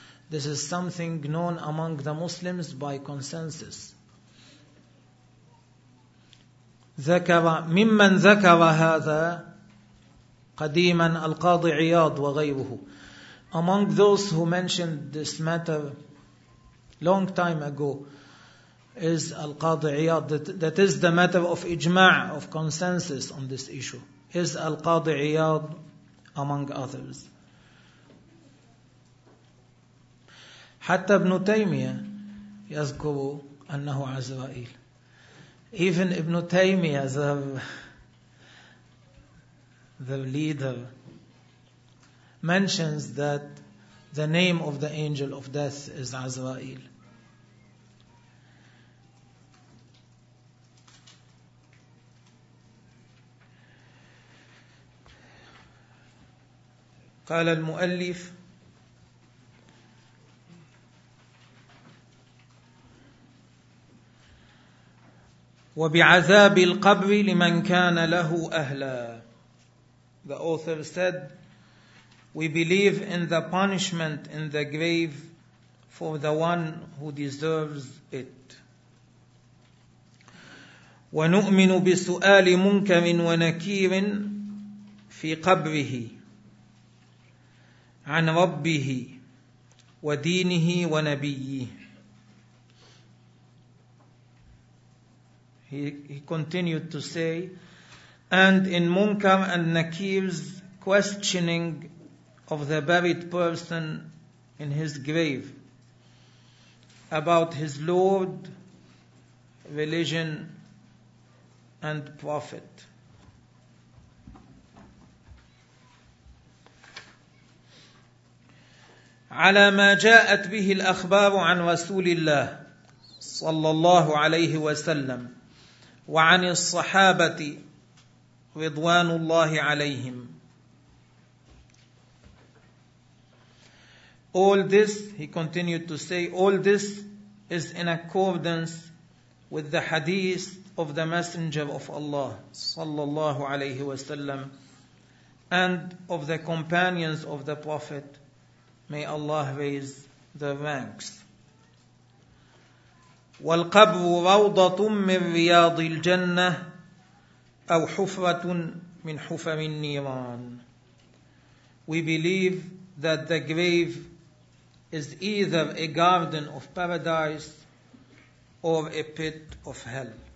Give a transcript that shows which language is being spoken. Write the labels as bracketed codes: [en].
[en] This is something known among the Muslims by consensus. [ar] ذكر ممن ذكر هذا قديما القاضي عياض وغيره. [en] Among those who mentioned this matter long time ago is Al-Qadi Iyad, that is the matter of ijma' of consensus on this issue, is Al-Qadi Iyad among others. [ar] حتى ابن تيمية يذكر أنه عزرائيل. [en] Even Ibn Taymiyyah, the leader, mentions that the name of the angel of death is Azrael. [ar] قال المؤلف وبعذاب القبر لمن كان له أهلا. [en] The author said, we believe in the punishment in the grave for the one who deserves it. [ar] ونؤمن بسؤال منكر ونكير في قبره عن ربه ودينه ونبيه. [en] He continued to say, and in Munkar and Nakir's questioning of the buried person in his grave about his Lord, religion, and Prophet. [ar] على ما جاءت به الأخبار عن رسول الله صلى الله عليه وسلم وعن الصحابة رضوان الله عليهم. [en] All this, he continued to say, all this is in accordance with the hadith of the Messenger of Allah [ar] sallallahu alayhi wa sallam [en] and of the companions of the Prophet. May Allah raise the ranks. [ar] والقبر روضة من رياض الجنة أو حفرة من حفر النيران. [en] We believe that the grave is either a garden of paradise or a pit of hell.